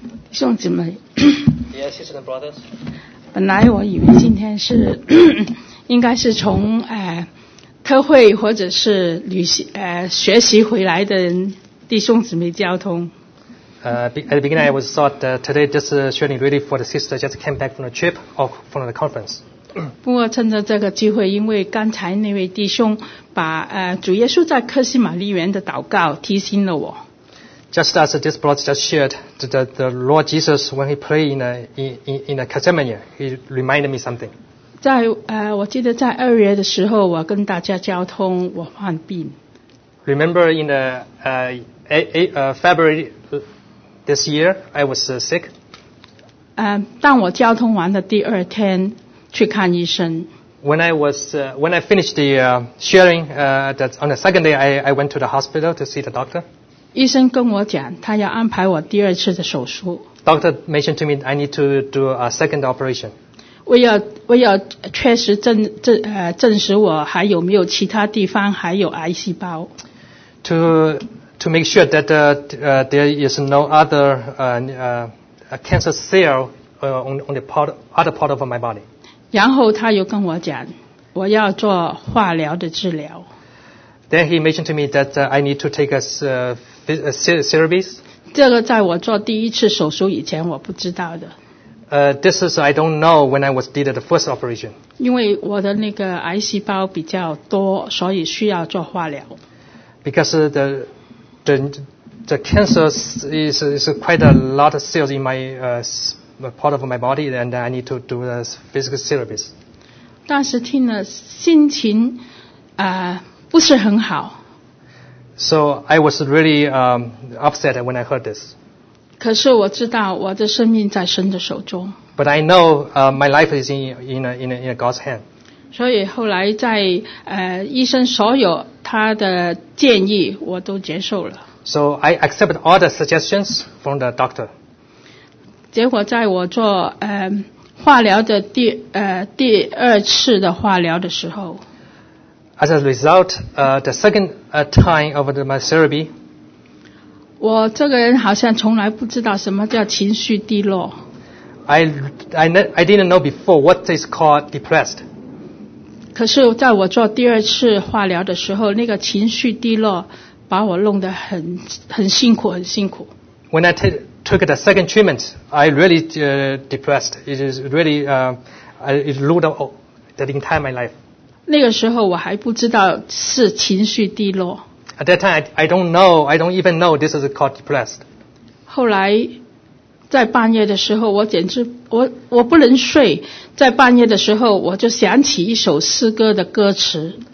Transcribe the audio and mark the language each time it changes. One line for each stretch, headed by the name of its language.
Chinese: 兄姐妹。
English: Yes, sisters and brothers.
Chinese: 本来我以为今天是应该是从特会或者是旅行学习回来的人弟兄姊妹交通。
English: At the beginning, I was thought that today just sharing really for the sister just came back from the trip or from the conference.
Chinese: 不过趁着这个机会，因为刚才那位弟兄把主耶稣在克西玛利园的祷告提醒了我。
English: Just as this brother just shared, the Lord Jesus when he prayed in a Gethsemane, he reminded me something.
Chinese: 在我记得在二月的时候，我跟大家交通，我患病。
English: Remember in the February this year, I was sick.
Chinese: 但我交通完的第二天去看医生。
English: When I finished the sharing, that on the second day, I went to the hospital to see the doctor.
Chinese: 医生跟我讲，他要安排我第二次的手术。
English: Doctor mentioned to me I need to do a second operation.
Chinese: 我要确实证实我还有没有其他地方还有癌细胞。
English: To make sure that there is no other cancer cell on the other part of my body.
Chinese: 然后他又跟我讲，我要做化疗的治疗。
English: Then he mentioned to me that I need to take a therapies.
Chinese: 这个在我做第一次手术以前我不知道的。
English: This is I don't know when I was did the first operation.
Chinese: 因为我的那个癌细胞比较多，所以需要做化疗。
English: Because the cancer is quite a lot of cells in my part of my body, and I need to do the physical therapies.
Chinese: 但是听了心情不是很好。
English: So I was really upset when I heard this.
Chinese: 可是我知道我的生命在神的手中。
English: But I know my life is in God's hand.
Chinese: 所以后来在医生所有他的建议我都接受了。
English: So I accept all the suggestions from the doctor.
Chinese: 结果在我做化疗的第二次的化疗的时候。
English: As a result, the second time of the therapy,
Chinese: 我这个人好像从来不知道什么叫情绪低落。
English: I didn't know before what is called depressed.
Chinese: 可是在我做第二次化疗的时候，那个情绪低落把我弄得很辛苦，很辛苦。
English: When I took the second treatment, I really depressed. It is really, it ruled out the entire my life.
Chinese: 那个时候我还不知道是情绪低落。
English: At that time, I don't even know this is called depressed.
Chinese: 后来在半夜的时候，我简直我不能睡。在半夜的时候，我就想起一首诗歌的歌词。